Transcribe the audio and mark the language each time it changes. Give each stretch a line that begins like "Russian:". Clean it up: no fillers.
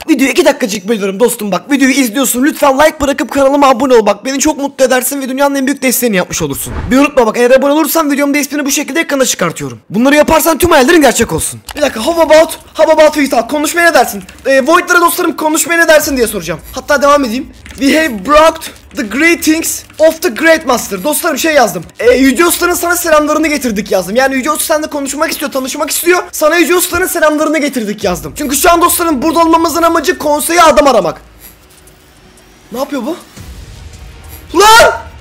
Turkish: Video 2 dakikacık bölüyorum dostum bak. Videoyu izliyorsun. Lütfen like bırakıp kanalıma abone ol bak. Beni çok mutlu edersin ve dünyanın en büyük desteğini yapmış olursun. Bir unutma bak, eğer abone olursan videomda ismini bu şekilde ekrana çıkartıyorum. Bunları yaparsan tüm hayallerin gerçek olsun. Bir dakika,
English: how about we talk?
Turkish: Konuşmaya ne dersin? Voidlara dostlarım konuşmaya ne dersin diye soracağım. Hatta devam edeyim.
English: We have brought the greetings of the Great Master.
Turkish: Dostlarım şey yazdım. Yüce Usta'nın sana selamlarını getirdik yazdım. Yani Yüce Usta seninle konuşmak istiyor, tanışmak istiyor. Sana Yüce Usta'nın selamlarını getirdik yazdım. Çünkü şu an dostlarım burada olmamızın amacı konseye adam aramak. Ne yapıyor bu? Lan!